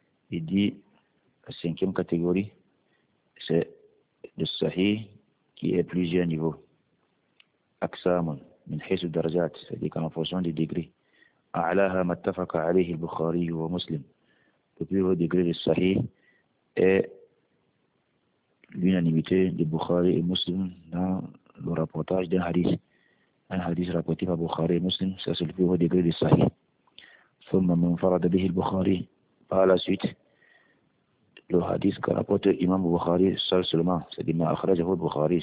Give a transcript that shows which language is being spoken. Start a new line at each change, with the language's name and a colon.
French: Il dit la cinquième catégorie, c'est le Sahih qui est plusieurs niveaux.
Arabic: Aksamun, min haythu darajat,
French: c'est-à-dire qu'en fonction des degrés.
Arabic: أعلاها ما اتفق عليه البخاري ومسلم.
French: Le plus haut degré du Sahih est l'unanimité de Bukhari et Muslim dans le rapportage d'un hadith. Un hadith rapporté par Bukhari et Muslim, ça c'est le plus haut degré du Sahih.
Arabic: ثم من فرد به البخاري.
French: Par la suite, le hadith qu'a rapporté Imam Bukhari seul seulement, c'est-à-dire
Arabic: ما أخرجه البخاري.